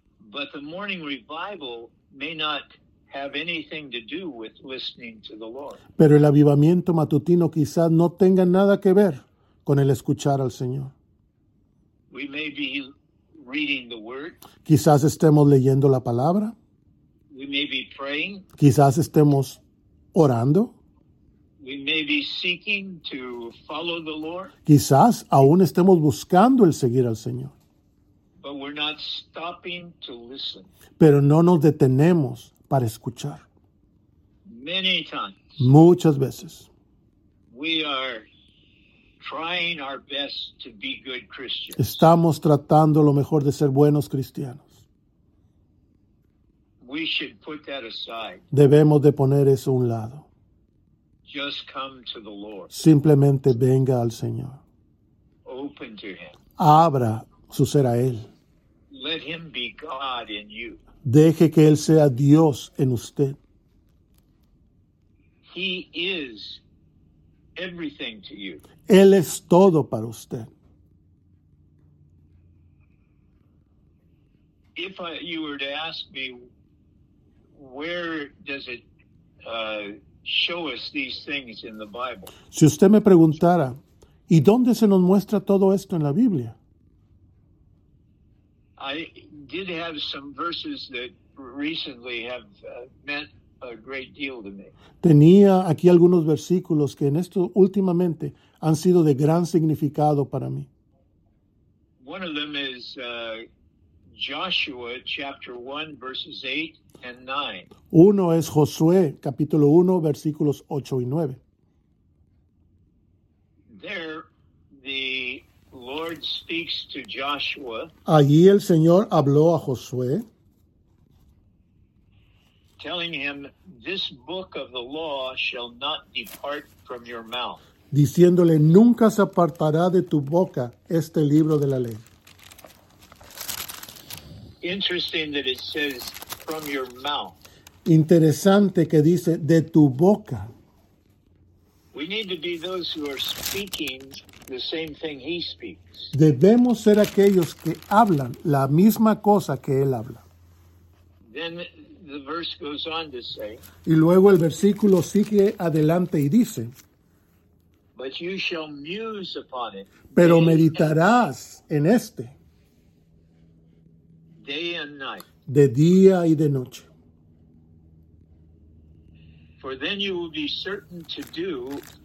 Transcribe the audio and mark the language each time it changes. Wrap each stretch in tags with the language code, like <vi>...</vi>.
<en>But the morning revival may not have anything to do with listening to the Lord.</en> <es>Pero el avivamiento matutino quizás no tenga nada que ver con el escuchar al Señor.</es> <en>We may be reading the word.</en> <es>Quizás estemos leyendo la palabra.</es> <en>We may be praying.</en> <es>Quizás estemos orando.</es> <en>We may be seeking to follow the Lord.</en> <es>Quizás aún estemos buscando el seguir al Señor.</es> <en>But we're not stopping to listen.</en> <es>Pero no nos detenemos para escuchar.</es> <en>Many times.</en> <es>Muchas veces.</es> <en>We are trying our best to be good Christians.</en> <es>Estamos tratando lo mejor de ser buenos cristianos.</es> <en>We should put that aside.</en> <es>Debemos de poner eso a un lado.</es> <en>Just come to the Lord.</en> <es>Simplemente venga al Señor.</es> <en>Open to him.</en> <es>Abra su ser a él.</es> <en>Let him be God in you.</en> <es>Deje que él sea Dios en usted.</es> <en>He is everything to you.</en> <es>Él es todo para usted.</es> <en>If you were to ask me, where does it show us these things in the Bible?</en> <es>Si usted me preguntara, ¿y dónde se nos muestra todo esto en la Biblia?</es> <en>I did have some verses that recently have meant a great deal to me.</en> <es>Tenía aquí algunos versículos que en esto últimamente han sido de gran significado para mí.</es> <en>One of them is Joshua chapter 1 verses 8 and 9.</en> <es>Uno es Josué capítulo 1 versículos 8 y 9.</es> <en>There the Lord speaks to Joshua.</en> <es>Allí el Señor habló a Josué.</es> <en>Telling him, this book of the law shall not depart from your mouth.</en> <es>Diciéndole, nunca se apartará de tu boca este libro de la ley.</es> <en>Interesting that it says, from your mouth.</en> <es>Interesante que dice, de tu boca.</es> <en>We need to be those who are speaking the same thing he speaks.</en> <es>Debemos ser aquellos que hablan la misma cosa que él habla.</es> <en>Then the verse goes on to say,</en> <es>y luego el versículo sigue adelante y dice,</es> <en>but you shall muse upon it,</en> <es>pero meditarás en este</es> <en>day and night,</en> <es>de día y de noche.</es> <en>For then you will be certain to do,</en>